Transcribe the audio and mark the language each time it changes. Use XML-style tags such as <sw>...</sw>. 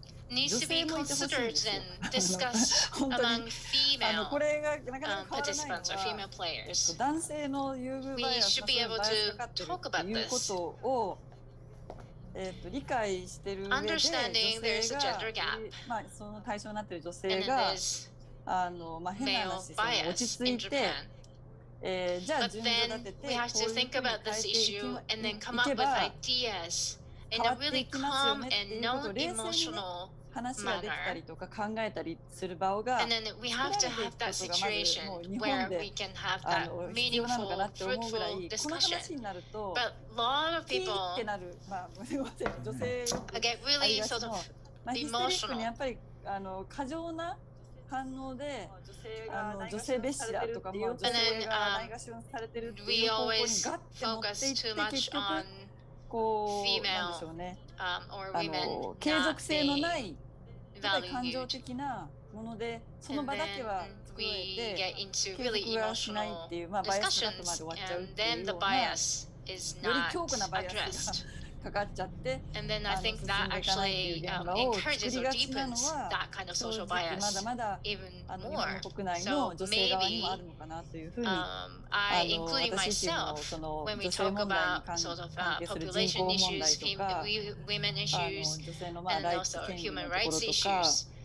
<en>needs to be considered and discussed among female participants or female players.</en> <ja>男性の優遇バイアスがどういうことかということを理解してる上で、</ja> <en>understanding there's a gender gap.</en> <ja>まあその対象になっている女性が変な話で落ち着いて。</ja> <en>But then we have to think about this issue and then come up with ideas in a really calm and non-emotional</en> <ja>話ができたりとか考えたりする場が、</ja> <en>and then we have to have that situation where we can have that meaningful, fruitful discussion. But a lot of people get really sort of emotional.</en> <ja>あの過剰な反応で、女性蔑視だとか、女性がないがしろにされてるっていう方向にガッて持っていって、結局こうなんでしょうね、あの継続性のない感情的なもので、その場だけは作られて継続はしないっていう、まあバイアスがあとまで終わっちゃうっていうような、より強固なバイアスがかかっちゃって、</ja> <en>and then I think that actually encourages or deepens that kind of social bias even more. So maybe I including myself when we talk about sort of population issues, women issues, and also human rights issues.</en>